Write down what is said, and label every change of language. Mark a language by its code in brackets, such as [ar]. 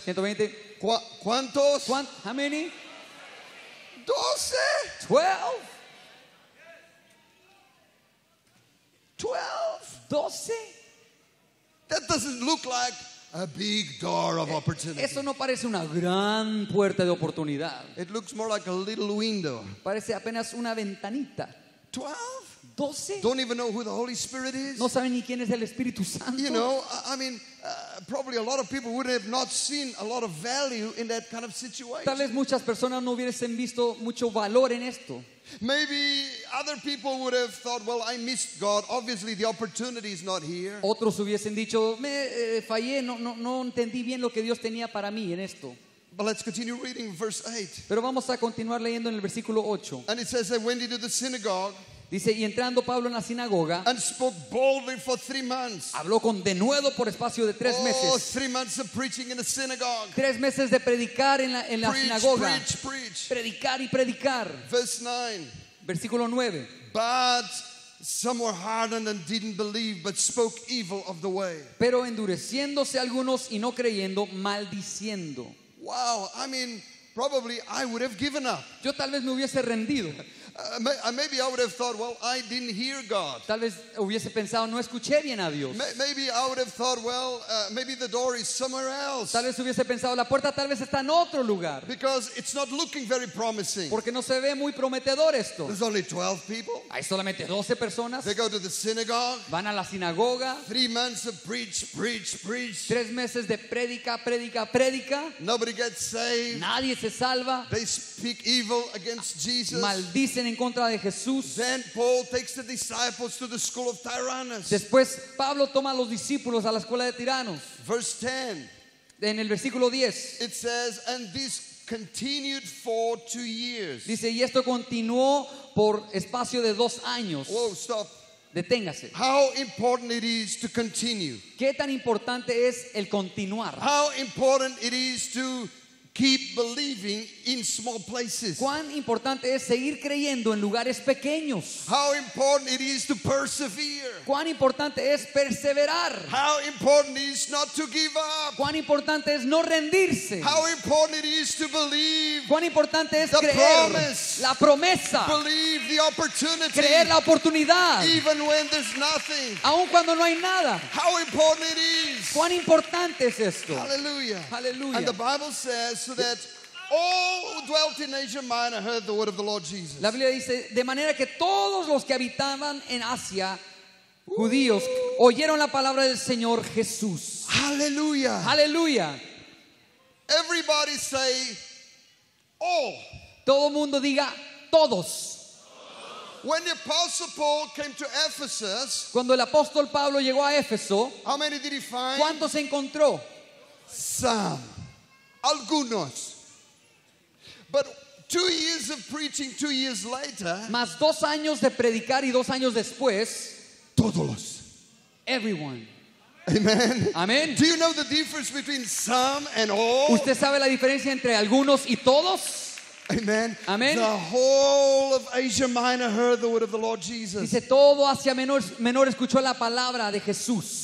[es] 120. ¿Cuántos? [en] How many? 12. 12. 12. 12. That doesn't look like a big door of opportunity. [es] Eso no parece una gran puerta de oportunidad. [en] It looks more like a little window. [es] Parece apenas una ventanita. 12. 12? [en] Don't even know who the Holy Spirit is. [es] No saben ni quién es el Espíritu Santo. [en] You know, I mean, probably a lot of people would have not seen a lot of value in that kind of situation. [es] Tal vez muchas personas no hubiesen visto mucho valor en esto. [en] Maybe other people would have thought, well, I missed God. Obviously, the opportunity is not here. [es] Otros hubiesen dicho, me fallé, no entendí bien lo que Dios tenía para mí en esto. [en] But let's continue reading verse 8. [es] Pero vamos a continuar leyendo en el versículo 8. [en] And it says they went into the synagogue. [es] Dice, y entrando Pablo en la sinagoga, [en] and spoke boldly for 3 months. [es] Habló con denuedo por espacio de tres meses. [en] Oh, 3 months of preaching in the synagogue. [es] 3 meses de predicar en la sinagoga. [en] Preach, preach. [es] Predicar y predicar. [en] Verse 9. But some were hardened and didn't believe, but spoke evil of the way. [es] Pero endureciéndose algunos y no creyendo, maldiciendo. [en] Wow, I mean, probably I would have given up. [es] Yo tal vez me hubiese rendido. [en] Maybe I would have thought, well, I didn't hear God. [es] Tal vez hubiese pensado, no escuché bien a Dios. [en] Maybe I would have thought, well, maybe the door is somewhere else. [es] Tal vez hubiese pensado, la puerta tal vez está en otro lugar. [en] Because it's not looking very promising. [es] Porque no se ve muy prometedor esto. [en] There's only 12 people. [es] Hay solamente 12 personas. [en] They go to the synagogue. [es] Van a la sinagoga. [en] 3 months of preach, preach, preach. [es] 3 meses de predica, predica, predica. [en] Nobody gets saved. [es] Nadie se salva. [en] They speak evil against Jesus. [es] Maldicen en contra de Jesús. [en] Then Paul takes the disciples to the school of Tyrannus. [es] Después Pablo toma a los discípulos a la escuela de tiranos. [en] Verse 10. [es] En el versículo 10. [en] It says, and this continued for 2 years. [es] Dice, y esto continuó por espacio de 2 años. [en] Whoa, stop. [es] Deténgase. [en] How important it is to continue. [es] Qué tan importante es el continuar. [en] How important it is to keep believing in small places. [es] Cuán importante es seguir creyendo en lugares pequeños. [en] How important it is to persevere. [es] Cuán importante es perseverar. [en] How important it is not to give up. [es] Cuán importante es no rendirse. [en] How important it is to believe. [es] Cuán importante es [en] the [es] creer [en] promise. [es] La promesa. [en] Believe the opportunity. [es] Creer la oportunidad. [en] Even when there's nothing. [es] Aun cuando no hay nada. [en] How important it is. [es] Cuán importante es esto. Hallelujah. Hallelujah. [en] And the Bible says, so that all who dwelt in Asia Minor heard the word of the Lord Jesus. [es] La Biblia dice, de manera que todos los que habitaban en Asia, judíos, oyeron la palabra del Señor Jesús. Hallelujah. Hallelujah. [en] Everybody say, all. [es] Todo mundo diga, todos. [en] When the apostle Paul came to Ephesus, [es] cuando el apóstol Pablo llegó a Éfeso, [en] how many did he find? [es] ¿Cuántos encontró? [en] Some. [es] Algunos. [en] But 2 years of preaching, 2 years later. [es] Más 2 años de predicar y 2 años después. Todos. [en] Everyone. Amen. Amen. Do you know the difference between some and all? [es] ¿Usted sabe la diferencia entre algunos y todos? Amen. Amen. [en] The whole of Asia Minor heard the word of the Lord Jesus. [es] Dice, todo Asia Menor escuchó la palabra de Jesús.